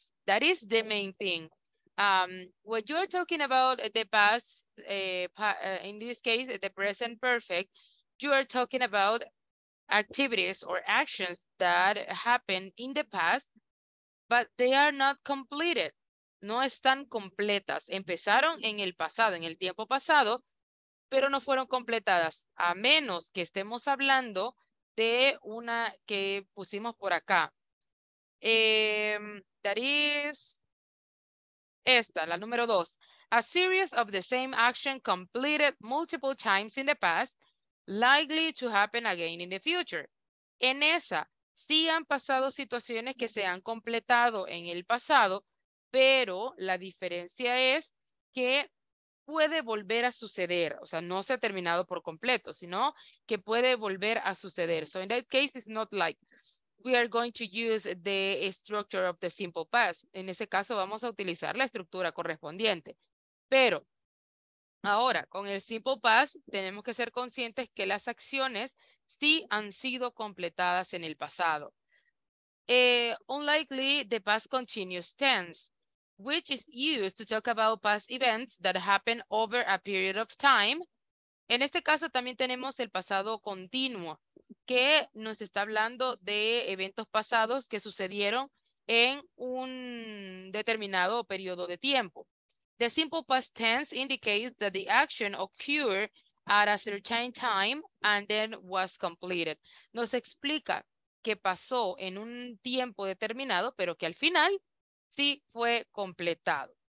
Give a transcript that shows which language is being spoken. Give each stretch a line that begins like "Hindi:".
English: That is the main thing. When you're talking about the past, in this case, the present perfect, you are talking about activities or actions that happened in the past, but they are not completed.
Spanish: No están completas. Empezaron en el pasado, en el tiempo pasado, pero no fueron completadas, a menos que estemos hablando de una que pusimos por acá.
English: That is
Spanish: esta, la número dos.
English: A series of the same action completed multiple times in the past, likely to happen again in the future.
Spanish: En esa, sí han pasado situaciones que se han completado en el pasado, pero la diferencia es que puede volver a suceder. O sea, no se ha terminado por completo, sino que puede volver a suceder.
English: So in that case, it's not like we are going to use the structure of the simple past.
Spanish: En ese caso, vamos a utilizar la estructura correspondiente. Pero ahora, con el simple past, tenemos que ser conscientes que las acciones sí han sido completadas en el pasado.
English: Unlikely, the past continuous tense. which is used to talk about past events that happen over a period of time.
Spanish: En este caso también tenemos el pasado continuo, que nos está hablando de eventos pasados que sucedieron en un determinado periodo de tiempo.
English: The simple past tense indicates that the action occurred at a certain time and then was completed.
Spanish: Nos explica que pasó en un tiempo determinado, pero que al final sí fue completado.